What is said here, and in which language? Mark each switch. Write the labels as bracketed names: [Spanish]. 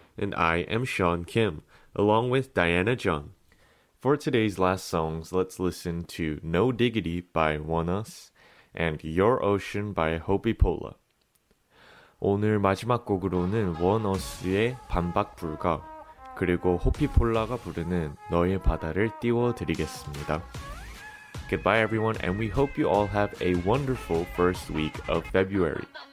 [English] And I am Sean Kim, along with Diana Jung. For today's last songs, let's listen to No Diggity by Won Us and Your Ocean by Hopi Pola. [Korean] 오늘 마지막 곡으로는 원어스의 반박불가 그리고 호피폴라가 부르는 너의 바다를 띄워드리겠습니다. [English] Goodbye everyone and we hope you all have a wonderful first week of February.